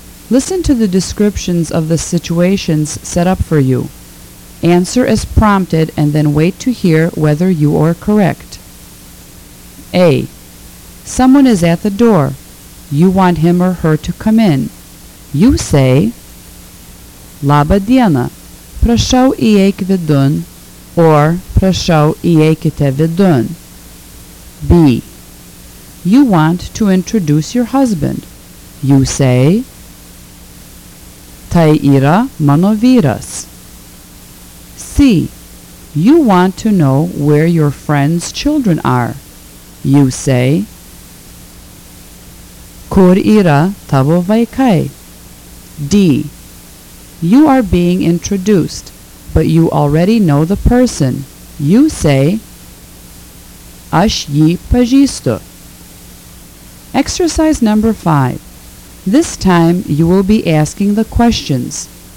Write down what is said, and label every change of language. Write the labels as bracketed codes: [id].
[en] Listen to the descriptions of the situations set up for you. Answer as prompted and then wait to hear whether you are correct. A. Someone is at the door. You want him or her to come in. You say, [lt] Labą dieną, prašau įeik vidun, [en] or [lt] prašau įeikite vidun. B. [en] You want to introduce your husband. You say, [lt] Tai yra mano vyras. [en] C. You want to know where your friend's children are. You say, [lt] Kur yra tavo vaikai? [en] D. You are being introduced, but you already know the person. You say, [lt] Aš jį pažįstu. [en] Exercise number 5. This time you will be asking the questions.